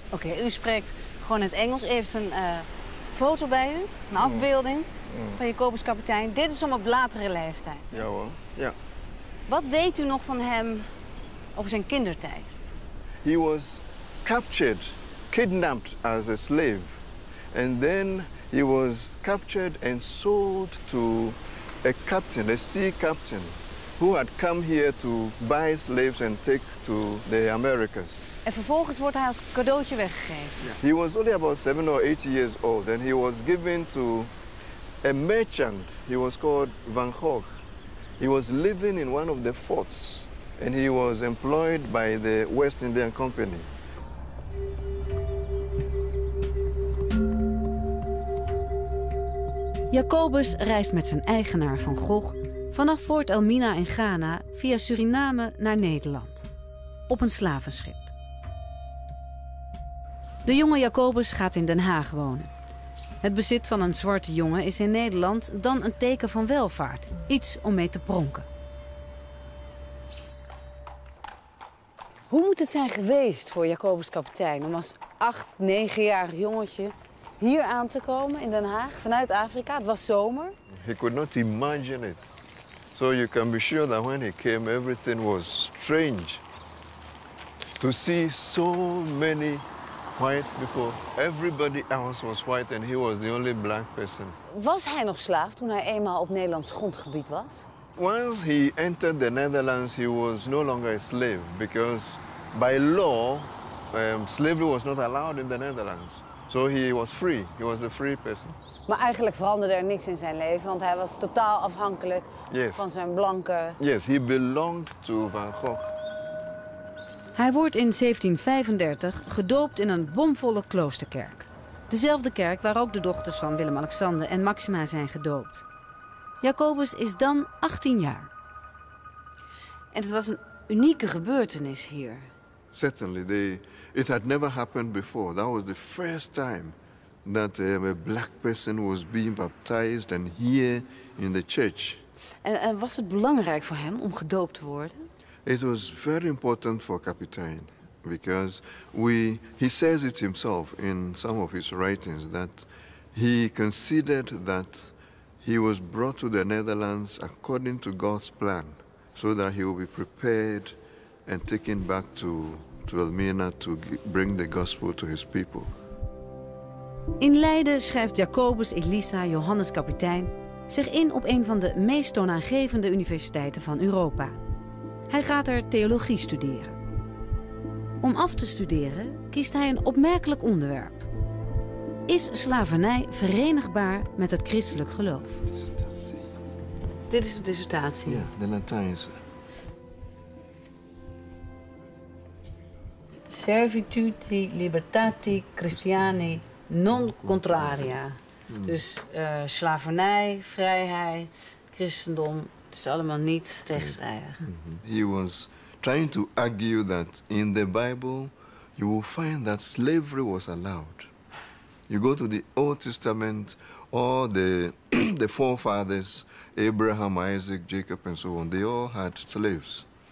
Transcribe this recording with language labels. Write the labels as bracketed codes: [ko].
[nl] Oké, u spreekt gewoon het Engels. U heeft een foto bij u, een afbeelding van Jacobus kapitein. Dit is om op latere leeftijd. Ja hoor, ja. Wat weet u nog van hem over zijn kindertijd? [en] He was captured, kidnapped as a slave. And then he was captured and sold to a captain, a sea captain, who had come here to buy slaves and take to the Americas. [nl] En vervolgens wordt hij als cadeautje weggegeven. [en] Yeah. He was only about 7 or 8 years old and he was given to a merchant. He was called Van Gogh. He was living in one of the forts. And he was employed by the West Indian Company. [nl] Jacobus reist met zijn eigenaar Van Gogh vanaf Fort Elmina in Ghana via Suriname naar Nederland. Op een slavenschip. De jonge Jacobus gaat in Den Haag wonen. Het bezit van een zwarte jongen is in Nederland dan een teken van welvaart. Iets om mee te pronken. Hoe moet het zijn geweest voor Jacobus kapitein om als 8-9-jarig jongetje hier aan te komen in Den Haag vanuit Afrika? Het was zomer. [en] He could not imagine it. So you can be sure that when he came, everything was strange. To see so many white people. Everybody else was white and he was the only black person. [nl] Was hij nog slaaf toen hij eenmaal op Nederlands grondgebied was? [en] Once he entered the Netherlands, he was no longer a slave because by law, slavery was not allowed in the Netherlands. So he was free. He was a free person. [nl] Maar eigenlijk veranderde er niks in zijn leven, want hij was totaal afhankelijk van zijn blanke. [en] Yes, he belonged to Van Gogh. [nl] Hij wordt in 1735 gedoopt in een bomvolle kloosterkerk. Dezelfde kerk waar ook de dochters van Willem-Alexander en Maxima zijn gedoopt. Jacobus is dan 18 jaar. En het was een unieke gebeurtenis hier. [en] Certainly, it had never happened before. That was the first time that a black person was being baptized and here in the church. [nl] En was het belangrijk voor hem om gedoopt te worden? [en] It was very important for kapitein because he says it himself in some of his writings that he considered that he was brought to the Netherlands according to God's plan, so that he will be prepared and taken back to Elmina to bring the gospel to his people. [nl] In Leiden schrijft Jacobus Elisa Johannes Kapitein zich in op een van de meest toonaangevende universiteiten van Europa. Hij gaat er theologie studeren. Om af te studeren kiest hij een opmerkelijk onderwerp. Is slavernij verenigbaar met het christelijk geloof? Dit is de dissertatie. Ja, de Latijnse. [la] Servitudi libertati Christiani non contraria. [nl] Dus slavernij, vrijheid, christendom, het is allemaal niet tegenstrijdig. [en] He was trying to argue that in the Bible you will find that slavery was allowed. You go to the Old Testament, all the forefathers, Abraham, Isaac, Jacob, and so on, they all had slaves.